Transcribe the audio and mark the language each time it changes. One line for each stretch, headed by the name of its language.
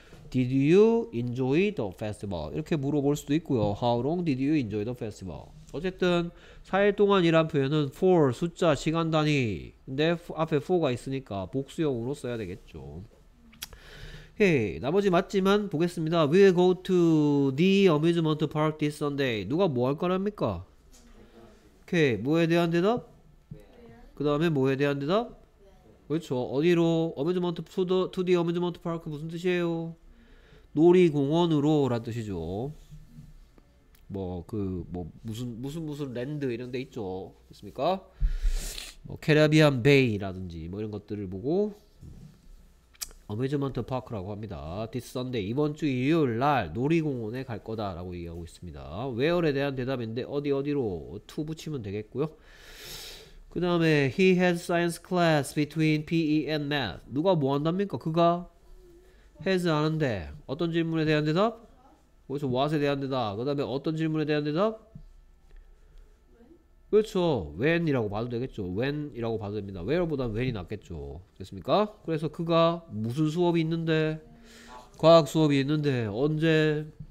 English: Did you enjoy the festival?
Korean: 이렇게 물어볼 수도 있고요.
English: How long did you enjoy the festival?
Korean: 어쨌든 4일 동안이란 표현은 for 숫자 시간 단위 근데 앞에 for가 있으니까 복수형으로 써야 되겠죠. 오케이. 나머지 맞지만 보겠습니다.
English: We'll go to the amusement park this Sunday.
Korean: 누가 뭐 할 거랍니까? 오케이. 뭐에 대한 대답? 그 다음에 뭐에 대한 대답? 그렇죠. 어디로?
English: Amusement to the, to the amusement park
Korean: 무슨 뜻이에요? 놀이공원으로 라는 뜻이죠. 뭐 그 뭐 무슨 랜드 이런 데 있죠. 됐습니까? 뭐 캐리비안 베이라든지 뭐 이런 것들을 보고 amusement park라고 합니다.
English: This Sunday
Korean: 이번 주 일요일 날 놀이공원에 갈 거다라고 얘기하고 있습니다. Where에 대한 대답인데 어디 어디로 to 붙이면 되겠고요. 그 다음에
English: He has science class between PE and math.
Korean: 누가 뭐 한답니까? 그가 has 하는데 어떤 질문에 대한 대답? 그렇죠. what에 대한 대답. 그 다음에 어떤 질문에 대한 대답? when? 그렇죠. when이라고 봐도 되겠죠. when이라고 봐도 됩니다. where보다는 when이 낫겠죠. 됐습니까? 그래서 그가 무슨 수업이 있는데? 과학 수업이 있는데 언제?